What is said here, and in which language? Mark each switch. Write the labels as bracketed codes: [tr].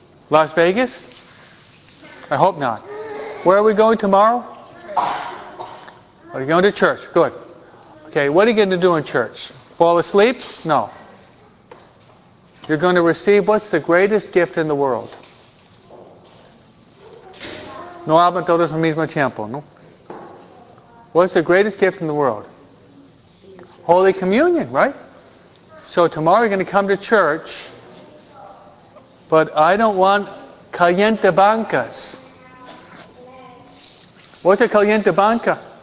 [en] Las Vegas? I hope not. Where are we going tomorrow? Are you going to church? Good. Okay, what are you going to do in church? Fall asleep? No. You're going to receive what's the greatest gift in the world? [es] No hablan todos al mismo tiempo, no? [en] What's the greatest gift in the world? Holy Communion, right? So tomorrow you're going to come to church, but I don't want [es] caliente bancas. [en] What's a [es] caliente banca?